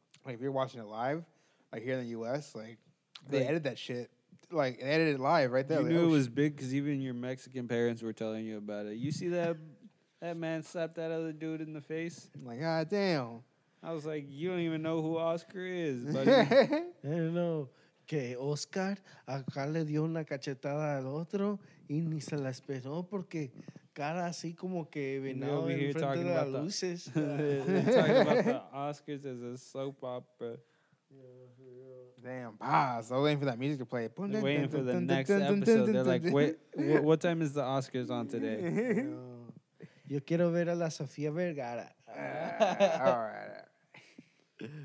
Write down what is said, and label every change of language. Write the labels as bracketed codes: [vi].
[en] Like, if you're watching it live, like, here in the U.S., like, they edit that shit. Like, and edited live right there. You like, knew it was big because even your Mexican parents were telling you about it. You see that that man slapped that other dude in the face? I'm like, ah, damn. I was like, you don't even know who Oscar is, buddy. I don't know. [es] Que Oscar acá le dio una cachetada al otro y ni se la esperó porque cara así como que venado en frente de las luces. [en] Talking about the Oscars as a soap opera. Damn, pause. I was waiting for that music to play. Waiting for the next episode. They're like, wait, what time is the Oscars on today? [es] Yo quiero ver a la Sofía Vergara. [en] All right.